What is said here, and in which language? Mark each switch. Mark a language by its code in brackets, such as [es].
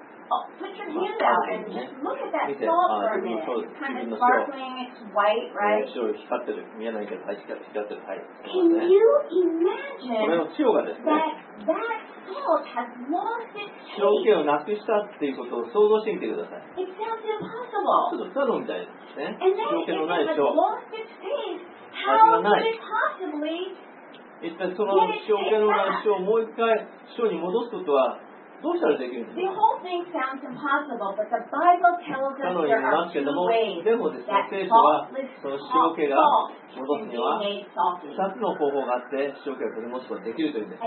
[en] Put your hand out and just look at that salt for a minute. It's kind of sparkling. It's white, right? [ja] 塩光ってる。見えないけど、光ってる。はい。 [en] Can you imagine? [ja] これの塩がですね。 [en] That salt has lost its taste. [ja] 塩気をなくしたっていうことを想像してみてください。 [en] It sounds impossible. [ja] ちょっと不可能みたいですね。 [en] And then [ja] 塩気のない塩。 [en] Lost its taste. How could it possibly get its taste back? [ja] その塩気のない塩をもう一回塩に戻すことはどうしたらできるんですか？ [en] The whole thing sounds impossible, but the Bible tells us there are two ways that saltless salt can be made salty. [ja] 二つの方法があって塩気を取り戻すことができるというんです。